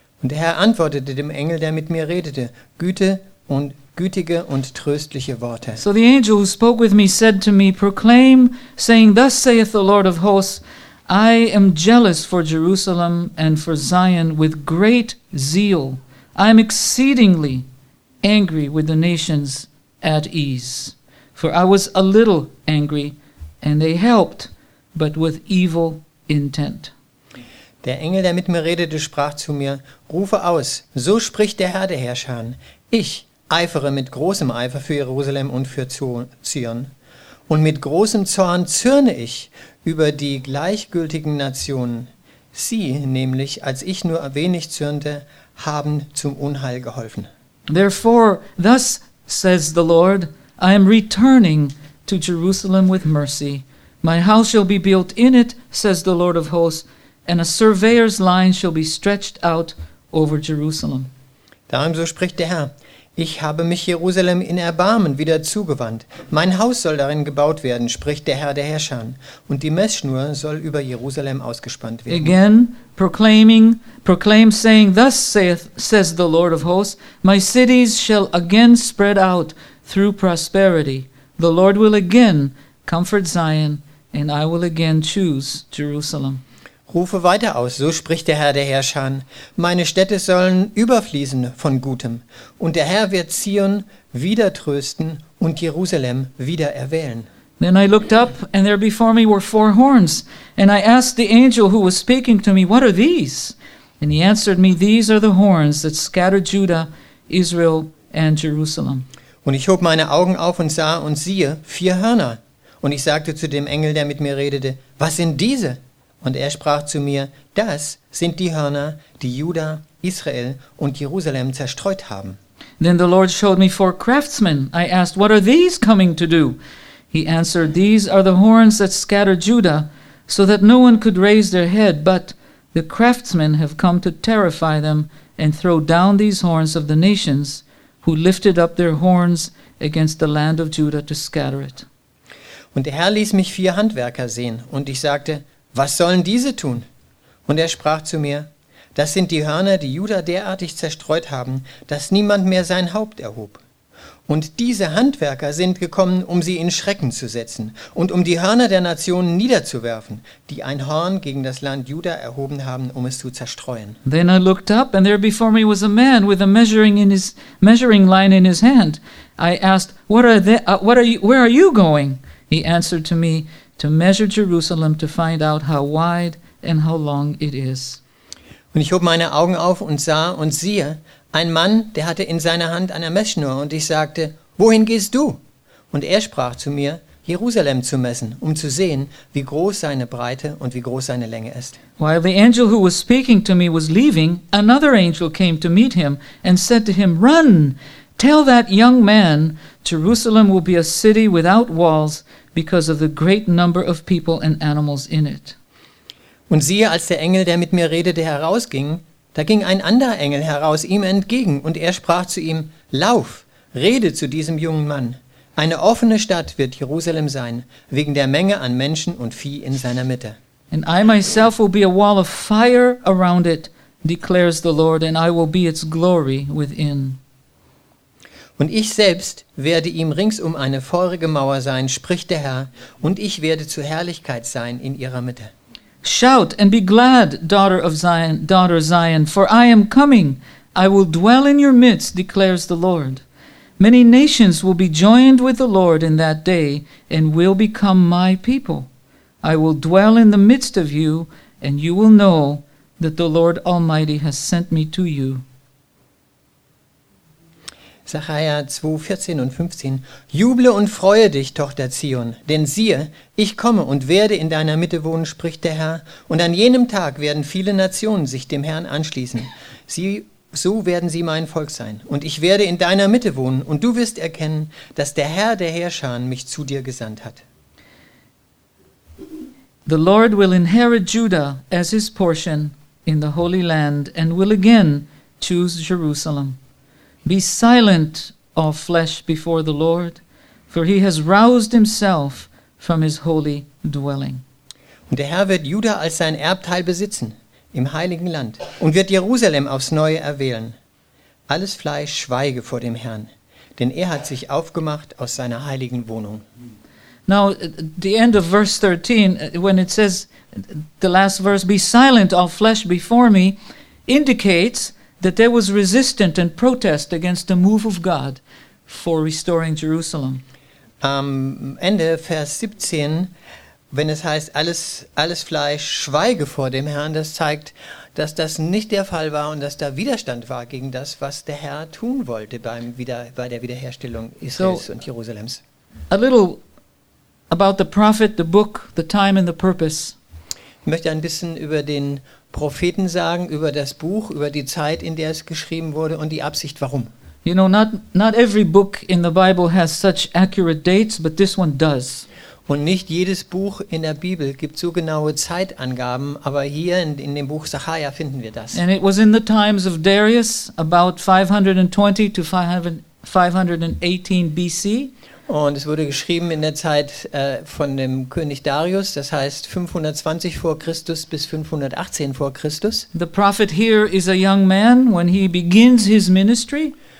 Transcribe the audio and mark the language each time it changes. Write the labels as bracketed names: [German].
[German] Und der Herr antwortete dem Engel, der mit mir redete, gütige und tröstliche Worte. [English] So the angel who spoke with me said to me, proclaim, saying, thus saith the Lord of hosts, I am jealous for Jerusalem and for Zion with great zeal. I am exceedingly angry with the nations at ease. For I was a little angry, and they helped, but with evil intent. [German] Der Engel, der mit mir redete, sprach zu mir, rufe aus, so spricht der Herr der Herrscher, ich eifere mit großem Eifer für Jerusalem und für Zion. Und mit großem Zorn zürne ich über die gleichgültigen Nationen. Sie nämlich, als ich nur wenig zürnte, haben zum Unheil geholfen. [English] Therefore, thus says the Lord, I am returning to Jerusalem with mercy. My house shall be built in it, says the Lord of hosts, and a surveyor's line shall be stretched out over Jerusalem. [German] Darum so spricht der Herr, ich habe mich Jerusalem in Erbarmen wieder zugewandt. Mein Haus soll darin gebaut werden, spricht der Herr der Herrscher. Und die Messschnur soll über Jerusalem ausgespannt werden. [English] Again, proclaim, saying, thus says the Lord of hosts, my cities shall again spread out through prosperity. The Lord will again comfort Zion, and I will again choose Jerusalem. [German] Rufe weiter aus, so spricht der Herr der Herrscher. Meine Städte sollen überfließen von Gutem. Und der Herr wird Zion wieder trösten und Jerusalem wieder erwählen. [English] Then I looked up, and there before me were four horns. And I asked the angel who was speaking to me, what are these? And he answered me, these are the horns that scattered Judah, Israel, and Jerusalem. [German] Und ich hob meine Augen auf und sah und siehe vier Hörner. Und ich sagte zu dem Engel, der mit mir redete, was sind diese? Und er sprach zu mir, das sind die Hörner, die Juda, Israel und Jerusalem zerstreut haben. [English] Then the Lord showed me four craftsmen. I asked, what are these coming to do? He answered, these are the horns that scatter Judah, so that no one could raise their head. But the craftsmen have come to terrify them and throw down these horns of the nations, who lifted up their horns against the land of Judah to scatter it. [German] Und der Herr ließ mich vier Handwerker sehen, und ich sagte, was sollen diese tun? Und er sprach zu mir, das sind die Hörner, die Juda derartig zerstreut haben, dass niemand mehr sein Haupt erhob. Und diese Handwerker sind gekommen, um sie in Schrecken zu setzen und um die Hörner der Nationen niederzuwerfen, die ein Horn gegen das Land Juda erhoben haben, um es zu zerstreuen. [English] Then I looked up, and there before me was a man with a measuring line in his hand. I asked, where are you going? He answered to me, to measure Jerusalem, to find out how wide and how long it is. [German] Und ich hob meine Augen auf und sah und siehe, ein Mann, der hatte in seiner Hand eine Messschnur, und ich sagte, wohin gehst du? Und er sprach zu mir, Jerusalem zu messen, um zu sehen, wie groß seine Breite und wie groß seine Länge ist. [English] While the angel who was speaking to me was leaving, another angel came to meet him and said to him, run, tell that young man, Jerusalem will be a city without walls, because of the great number of people and animals in it. [German] Und siehe, als der Engel, der mit mir redete, herausging, Da ging ein anderer Engel heraus ihm entgegen, und er sprach zu ihm: Lauf, rede zu diesem jungen Mann. Eine offene Stadt wird Jerusalem sein, wegen der Menge an Menschen und Vieh in seiner Mitte. [English] And I myself will be a wall of fire around it, declares the Lord, and I will be its glory within. [German] Und ich selbst werde ihm ringsum eine feurige Mauer sein, spricht der Herr, und ich werde zur Herrlichkeit sein in ihrer Mitte. [English] Shout and be glad, daughter of Zion, daughter Zion, for I am coming. I will dwell in your midst, declares the Lord. Many nations will be joined with the Lord in that day and will become my people. I will dwell in the midst of you, and you will know that the Lord Almighty has sent me to you. [German] Zachariah 2,14 und 15. Juble und freue dich, Tochter Zion, denn siehe, ich komme und werde in deiner Mitte wohnen, spricht der Herr, und an jenem Tag werden viele Nationen sich dem Herrn anschließen. So werden sie mein Volk sein, und ich werde in deiner Mitte wohnen, und du wirst erkennen, dass der Herr der Herrscharen mich zu dir gesandt hat. [English] The Lord will inherit Judah as his portion in the Holy Land and will again choose Jerusalem. Be silent, all flesh, before the Lord, for he has roused himself from his holy dwelling. [German] Und der Herr wird Juda als sein Erbteil besitzen im heiligen Land und wird Jerusalem aufs Neue erwählen. Alles Fleisch schweige vor dem Herrn, denn er hat sich aufgemacht aus seiner heiligen Wohnung. [English] Now, the end of verse 13, when it says, the last verse, be silent, all flesh, before me, indicates that there was resistance and protest against the move of God for restoring Jerusalem. [German] Am Ende Vers 17, wenn es heißt, alles Fleisch schweige vor dem Herrn, das zeigt, dass das nicht der Fall war und dass da Widerstand war gegen das, was der Herr tun wollte bei der Wiederherstellung Israels und Jerusalems. [English] A little about the prophet, the book, the time and the purpose. [German] Ich möchte ein bisschen über den Propheten sagen, über das Buch, über die Zeit, in der es geschrieben wurde und die Absicht, warum. [English] You know, not every book in the Bible has such accurate dates, but this one does. [German] Und nicht jedes Buch in der Bibel gibt so genaue Zeitangaben, aber hier in dem Buch Zachariah finden wir das. [English] And it was in the times of Darius, about 520 to 518 BC. [German] Und es wurde geschrieben in der Zeit von dem König Darius, das heißt 520 vor Christus bis 518 vor Christus. [English] The prophet here is a young man when he begins his ministry.